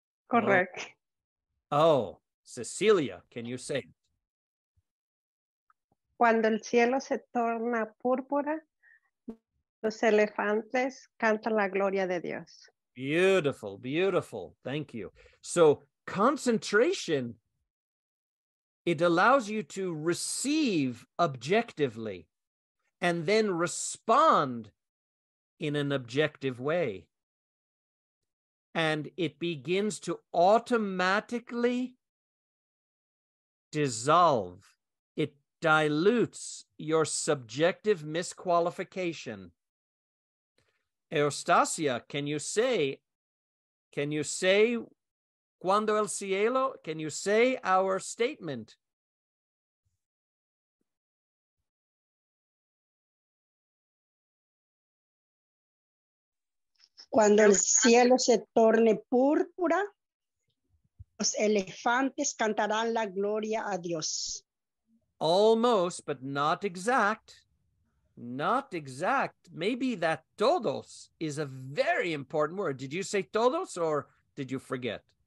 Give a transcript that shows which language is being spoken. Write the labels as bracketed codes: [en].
[en] Correct. Oh, Cecilia, can you say it? [es] Cuando el cielo se torna púrpura, los elefantes cantan la gloria de Dios. [en] Beautiful, beautiful. Thank you. So concentration, it allows you to receive objectively and then respond in an objective way. And it begins to automatically dissolve. It dilutes your subjective misqualification. Eustacia, can you say, [es] cuando el cielo, [en] can you say our statement? [es] Cuando el cielo se torne púrpura, los elefantes cantarán la gloria a Dios. [en] Almost, but not exact. Not exact. Maybe that todos is a very important word. Did you say todos or did you forget?